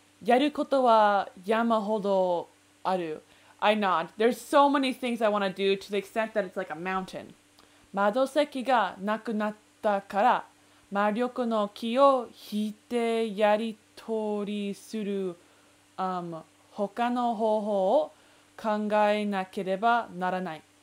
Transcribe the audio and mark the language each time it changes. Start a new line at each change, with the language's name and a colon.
Japanese: やることは山ほどある。
English: I nod. There's so many things I want to do to the extent that it's like a mountain.
Japanese: 窓席がなくなったから魔力の木を引いてやり取りする他の方法を考えなければならない。